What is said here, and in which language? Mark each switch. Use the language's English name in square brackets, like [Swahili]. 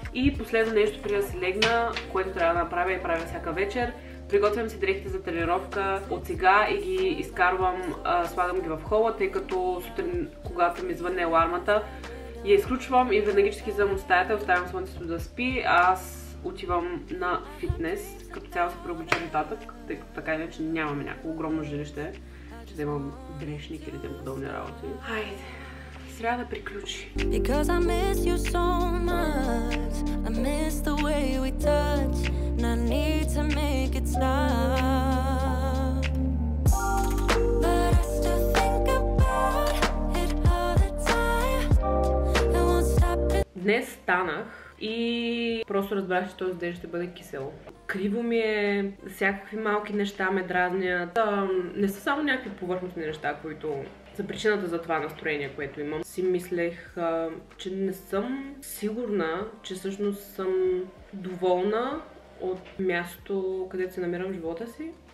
[Bulgarian] И последно нещо, преди да си легна, което трябва да направя и правя всяка вечер, приготвям си дрехите за тренировка от сега и ги изкарвам, слагам ги в хола, тъй като сутрин, когато ми звънне алармата, я изключвам и веднага ще ги взем от стаята, оставям слънцето да спи, а аз отивам на фитнес, като цяло се преоблича нататък, тъй като така иначе нямаме някакво огромно жилище, че да имам грешник или тем подобни работи. Хайде, сряда да приключи. [English] Because I miss you so much, I miss the way we touch, and I need to make it stop. But I still think about it all the time, I won't stop it. [Bulgarian] Днес станах и просто разбрах, че този ден ще бъде кисело. Криво ми е, всякакви малки неща ме дразнят. Не са само някакви повърхностни неща, които са причината за това настроение, което имам. Си мислех, че не съм сигурна, че всъщност съм доволна от мястото, където се намирам в живота си.